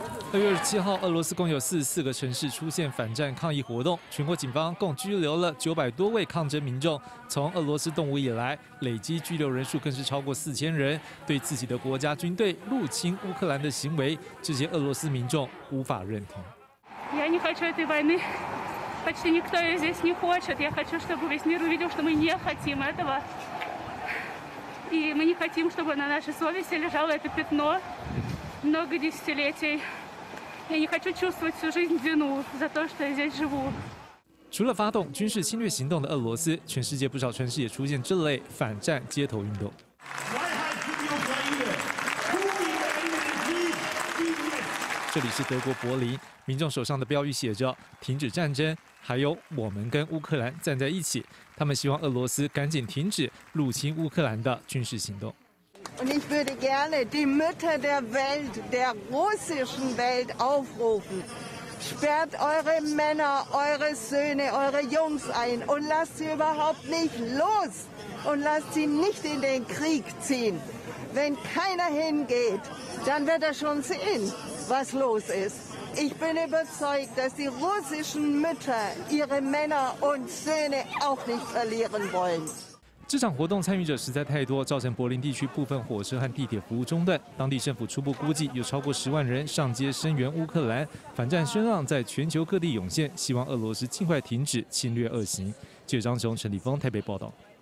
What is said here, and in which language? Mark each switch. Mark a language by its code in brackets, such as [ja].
[zh] 2月27号，俄罗斯共有44个城市出现反战抗议活动，全国警方共拘留了900多位抗争民众。从俄罗斯动武以来，累积拘留人数更是超过4000人。对自己的国家军队入侵乌克兰的行为，这些俄罗斯民众无法认同。 [ru] Я не хочу этой войны. Почти никто ее здесь не хочет. Я хочу, чтобы весь мир увидел, что мы не хотим этого. И мы не хотим, чтобы на нашей совести лежало это пятно много десятилетий. Я не хочу чувствовать всю жизнь вину за то, что я здесь живу. [zh] 除了发动军事侵略行动的俄罗斯，全世界不少城市也出现这类反战街头运动。这里是德国柏林，民众手上的标语写着“停止战争”，还有“我们跟乌克兰站在一起”。他们希望俄罗斯赶紧停止入侵乌克兰的军事行动。 [de] Und ich würde gerne die Mütter der Welt, der russischen Welt, aufrufen. Sperrt eure Männer, eure Söhne, eure Jungs ein und lasst sie überhaupt nicht los und lasst sie nicht in den Krieg ziehen. Wenn keiner hingeht, dann wird er schon sehen, was los ist. Ich bin überzeugt, dass die russischen Mütter ihre Männer und Söhne auch nicht verlieren wollen. [zh] 这场活动参与者实在太多，造成柏林地区部分火车和地铁服务中断。当地政府初步估计有超过10万人上街声援乌克兰，反战声浪在全球各地涌现，希望俄罗斯尽快停止侵略恶行。记者张雄、陈立峰台北报道。